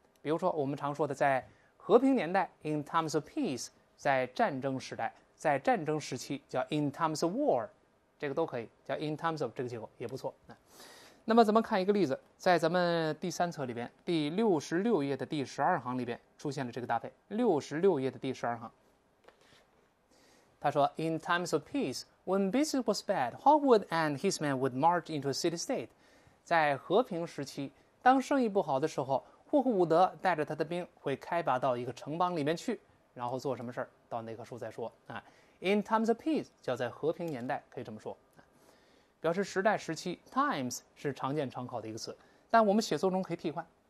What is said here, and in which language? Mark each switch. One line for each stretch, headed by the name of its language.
Chinese: 比如说，我们常说的在和平年代
English: in times of peace，
Chinese: 在战争时代，在战争时期叫
English: in times of war，
Chinese: 这个都可以叫
English: in times of，
Chinese: 这个结构也不错。那么咱们看一个例子，在咱们第三册里边第66页的第12行里边出现了这个搭配。 66页的第12行，他说
English: "In times of peace, when business was bad, Hawkwood and his men would march into a city state."
Chinese: 在和平时期，当生意不好的时候。霍克伍德带着他的兵会开拔到一个城邦里面去，然后做什么事儿，到那棵树再说啊。
English: In times of peace
Chinese: 叫在和平年代，可以这么说，表示时代时期。 Times 是常见常考的一个词，但我们写作中可以替换。